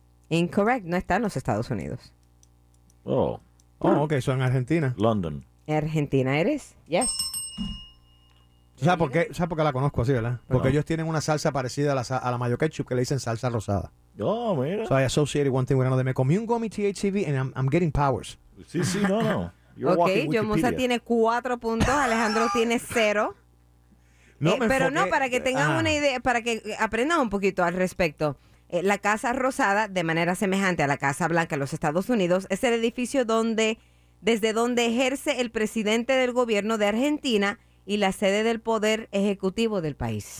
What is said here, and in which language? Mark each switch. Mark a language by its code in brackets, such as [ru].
[en] Incorrect, [es] no está en los Estados Unidos. Oh, [en] ok, so [es] en Argentina. [en] London. [es] ¿Argentina eres? [en] Yes. [es] ¿Sabes por qué la conozco así, verdad? Porque ellos tienen una salsa parecida a la mayo ketchup que le dicen salsa rosada. Oh, mira. [en] So I associated one thing with another. [es] Me comí un gummy THCV [en] and I'm getting powers. [es] Sí, sí, no, no. [en] You're ok, [es] John Musa tiene 4 puntos, Alejandro tiene 0. No, pero no, para que tengan una idea, para que aprendan un poquito al respecto. La Casa Rosada, de manera semejante a la Casa Blanca en los Estados Unidos, es el edificio desde donde ejerce el presidente del gobierno de Argentina y la sede del poder ejecutivo del país.